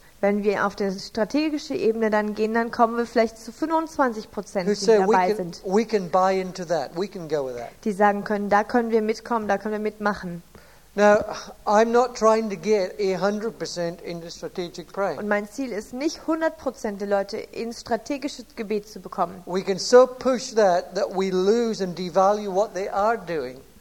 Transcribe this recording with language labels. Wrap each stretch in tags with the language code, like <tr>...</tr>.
<de>Wenn wir auf der strategische Ebene dann gehen, dann kommen wir vielleicht zu 25%, die dabei sind.</de> <en>We can buy into that. We can go with that.</en> <de>Die sagen können, da können wir mitkommen, da können wir mitmachen.</de> <en>Now, I'm not trying to get 100% into strategic prayer.</en> <de>Und mein Ziel ist nicht 100% der Leute in strategisches Gebet zu bekommen.</de> <en>We can so push that that we lose and devalue what they are doing.</en>